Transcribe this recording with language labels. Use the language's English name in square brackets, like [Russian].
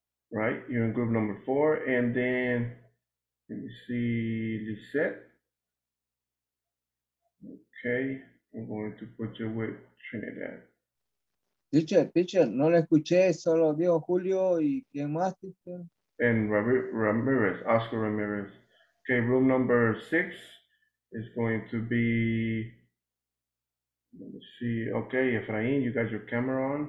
[English] Right, you're in group number four. And then let me see Lisette. Okay, I'm going to put you with Trinidad. [Spanish] Teacher, no le escuché, solo dijo Julio y quien más, teacher. [English] And Ramirez, Oscar Ramirez. Okay, room number six is going to be, let me see, okay, Efraín, you got your camera on.